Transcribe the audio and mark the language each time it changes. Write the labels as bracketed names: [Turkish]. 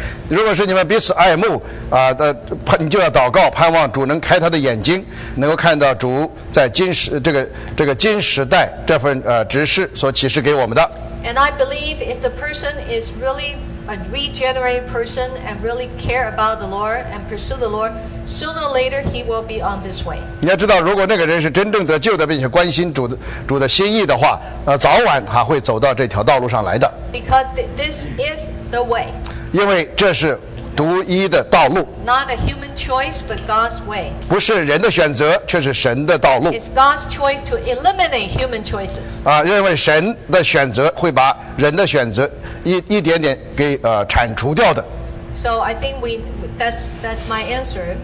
[Chinese] 如果是你们彼此爱慕你就要祷告，盼望主能开他的眼睛，能够看到主在这个今时代这份指示所启示给我们的。 [English] And I believe if the person is really a regenerated person and really care about the Lord and pursue the Lord, sooner or later he will be on this way. [Chinese] 你要知道，如果那个人是真正得救的，并且关心主的心意的话，早晚他会走到这条道路上来的。 [English] Because this is the way. [Chinese] 因为这是独一的道路。 [English] Not a human choice, but God's way. [Chinese] 不是人的选择，却是神的道路。 [English] It's God's choice to eliminate human choices. [Chinese] 认为神的选择会把人的选择一点点给铲除掉的。 [English] So I think that's my answer.